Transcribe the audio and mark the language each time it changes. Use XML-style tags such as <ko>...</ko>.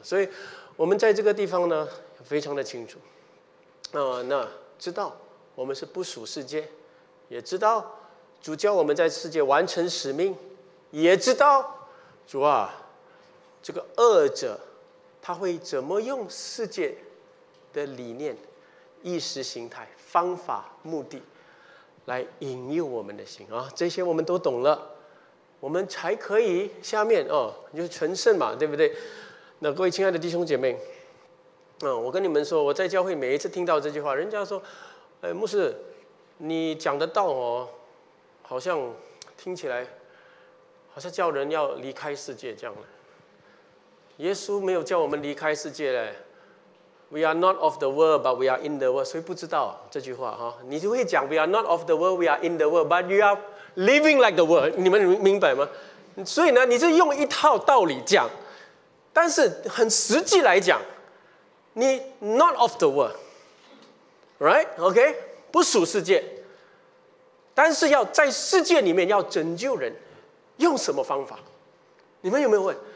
<zh>所以我们在这个地方呢，非常的清楚，那知道我们是不属世界，也知道主教我们在世界完成使命，也知道主啊，这个恶者他会怎么用世界的理念、意识形态、方法、目的来引诱我们的心啊，这些我们都懂了，我们才可以下面哦，就是成圣嘛，对不对？那各位亲爱的弟兄姐妹，我跟你们说，我在教会每一次听到这句话，人家说，哎，牧师，你讲的道哦，好像听起来好像叫人要离开世界这样的。耶稣没有叫我们离开世界嘞，</zh> <en>We are not of the world, but we are in the world.</en> <zh>谁不知道这句话哈？</zh> <en>你就会讲 We are not of the world, we are in the world, but you are living like the world.</en> <zh>你们明白吗？所以呢，你是用一套道理讲，但是很实际来讲，你</zh> <en>not of the world, right?</en> <zh>OK, 不属世界，但是要在世界里面要拯救人，用什么方法？你们有没有问？</zh>